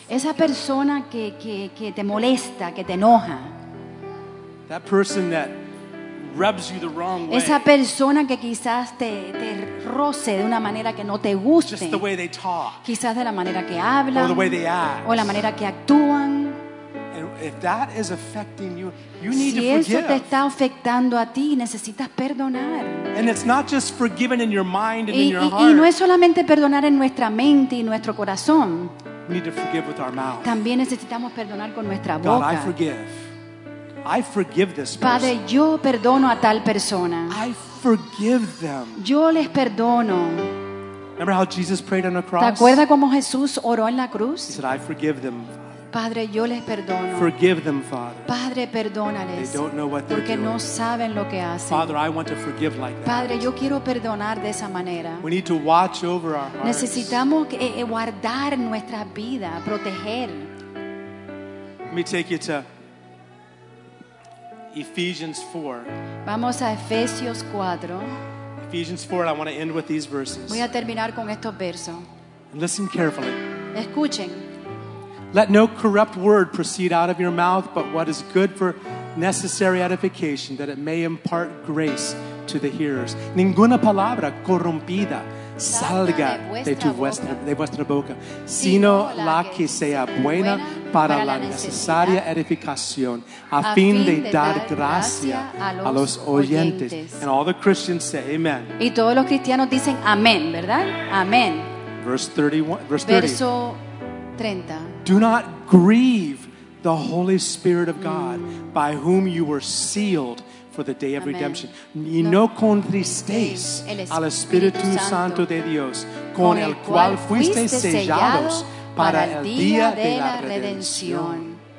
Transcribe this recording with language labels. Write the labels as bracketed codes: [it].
[es] Esa persona que te molesta, que te enoja. [en] That person that rubs you the wrong way. [es] Esa persona que quizás te roce de una manera que no te guste. [en] Just the way they talk. [es] Quizás de la manera que hablan. [en] Or the way they act. [es] O la manera que actúan. [en] And if that is affecting you, you need [es] si [en] to [es] eso [en] forgive. [es] Te está afectando a ti, necesitas perdonar. [en] And it's not just forgiven in your mind and [es] y, [en] in your heart. [es] Y no es solamente perdonar en nuestra mente y nuestro corazón. [en] We need to forgive with our mouth. [es] También necesitamos perdonar con nuestra boca. [en] God, I forgive. I forgive this person. [es] Padre, yo perdono a tal persona. [en] I forgive them. [es] Yo les perdono. [en] Remember how Jesus prayed on the cross? [es] ¿Te acuerdas cómo Jesús oró en la cruz? [en] He said, I forgive them. [es] Padre, yo les perdono. [en] Forgive them, Father. [es] Padre, perdónales. [en] They don't know what they're [es] porque [en] doing. [es] No saben lo que hacen. [en] Father, I want to forgive like that. [es] Padre, yo quiero perdonar de esa manera. [en] We need to watch over our hearts. [es] Necesitamos guardar nuestra vida, proteger. [en] Let me take you to Ephesians 4. [es] Vamos a Efesios 4. [en] Ephesians 4, I want to end with these verses. [es] Voy a terminar con estos versos. [en] And listen carefully. [es] Escuchen. [en] Let no corrupt word proceed out of your mouth, but what is good for necessary edification, that it may impart grace to the hearers. [es] Ninguna palabra corrompida salga de vuestra boca, sino la que sea buena para la necesaria edificación, a fin de dar gracia a los oyentes. [en] And all the Christians say amen. [es] Y todos los cristianos dicen amén, ¿verdad? Amén. Verso 30. [en] Do not grieve the Holy Spirit of God, by whom you were sealed for the day of redemption. [es] Y no contristéis al Espíritu Santo de Dios, con el cual fuisteis sellados para el día de la redención.